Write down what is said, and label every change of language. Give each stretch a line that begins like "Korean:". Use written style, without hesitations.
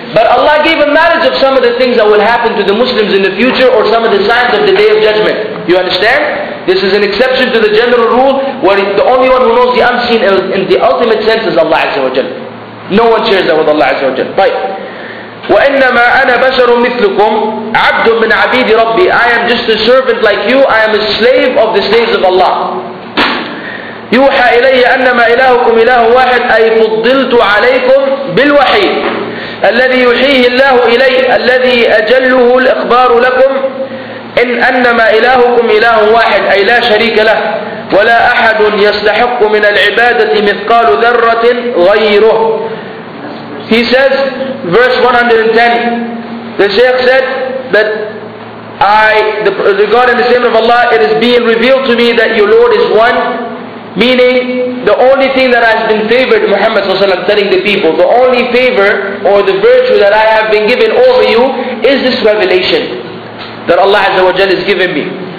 English: But Allah gave him knowledge of some of the things that will happen to the Muslims in the future or some of the signs of the Day of Judgment. You understand? This is an exception to the general rule where the only one who knows the unseen in the ultimate sense is Allah Azza wa Jal. No one shares that with Allah Azza wa Jal. Right.
Arabic: وإنما أنا بشر مثلكم عبد من عبيد ربي.
English: I am just a servant like you. I am a slave of the slaves of Allah.
Arabic: يوحى إلي أنما إلهكم إله واحد أي فضلت عليكم بالوحي الذي يحييه الله إلي الذي أجله الإخبار لكم إن أنما إلهكم إله واحد أي لا شريك له ولا أحد يستحق من العبادة مثقال ذرة غيره.
English: He says, verse 110, the Shaykh said that the God and the Savior of Allah, it is being revealed to me that your Lord is one, meaning the only thing that has been favored, Muhammad SAW, telling the people, the only favor or the virtue that I have been given over you is this revelation that Allah Azza wa Jalla has given me.